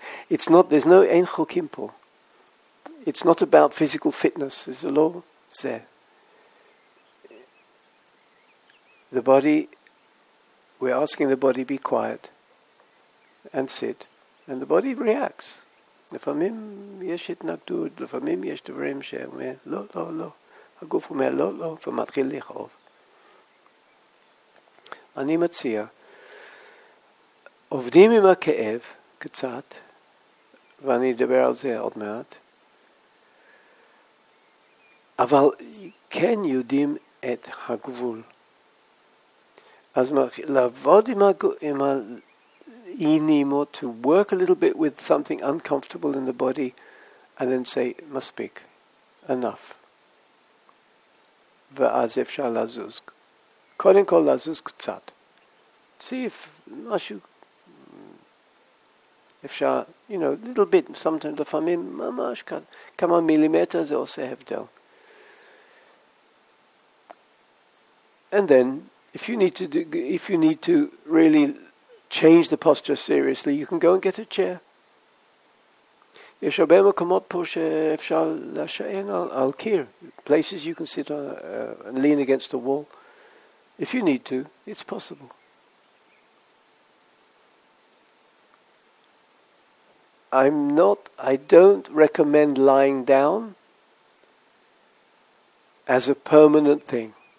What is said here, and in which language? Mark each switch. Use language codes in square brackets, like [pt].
[en] It's not, there's no, [he] אין חוקים פה. [en] It's not about physical fitness, [he] זה לא זה. [en] The body, we're asking the body be quiet and sit, and the body reacts. [he] לפעמים יש התנגדות, לפעמים יש דברים שהם, לא, לא, לא. הגוף אומר לא, לא, ומתחיל לכאוב. אני מציע, עובדים עם הכאב קצת, ואני אדבר על זה עוד מעט, אבל כן יודעים את הגבול. אז לעבוד עם האי-נעימות, [en] to work a little bit with something uncomfortable in the body, and then say, [he] מספיק, [en] enough. [he] ואז אפשר לזוז. קודם כל לזוז קצת. [en] See if [he] משהו אפשר, [en] you know, little bit, sometimes, [he] לפעמים ממש כמה מילימטר זה עושה הבדל. [en] And then, if you need to really change the posture seriously, you can go and get a chair. [he] יש הרבה מקומות פה שאפשר לשען על קיר. [en] Places you can sit and lean against a wall. If you need to, it's possible. I don't recommend lying down as a permanent thing.